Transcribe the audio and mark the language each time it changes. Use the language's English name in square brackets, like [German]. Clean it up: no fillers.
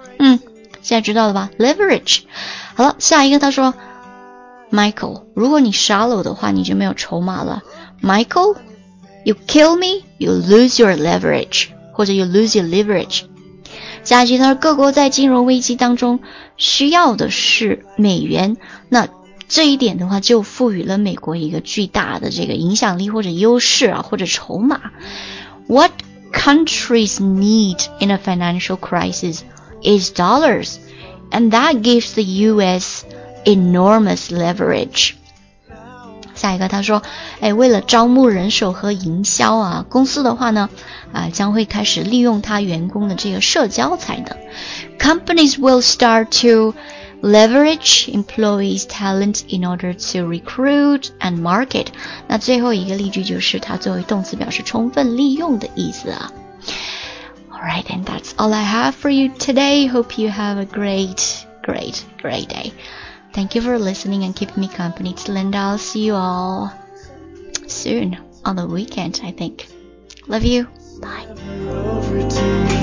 [Chinese] 嗯，现在知道了吧， leverage。好了，下一个他说 Michael 如果你 shallow 的话你就没有筹码了， [English] Michael you kill me you lose your leverage [Chinese] 或者 you lose your leverage。下一句他说各国在金融危机当中需要的是美元，那这一点的话就赋予了美国一个巨大的这个影响力或者优势啊或者筹码。 [English] What countries need in a financial crisis is dollars and that gives the US enormous leverage。 [Chinese] 下一个他说哎，为了招募人手和营销啊，公司的话呢将会开始利用他员工的这个社交才能。 [English] Companies will start to leverage employees talent in order to recruit and market。 [Chinese] 那最后一个例句就是它作为动词表示充分利用的意思啊。 [English] Alright, and that's all I have for you today. Hope you have a great, great, great day. Thank you for listening and keeping me company. It's Linda, I'll see you all soon on the weekend, I think. Love you. Bye.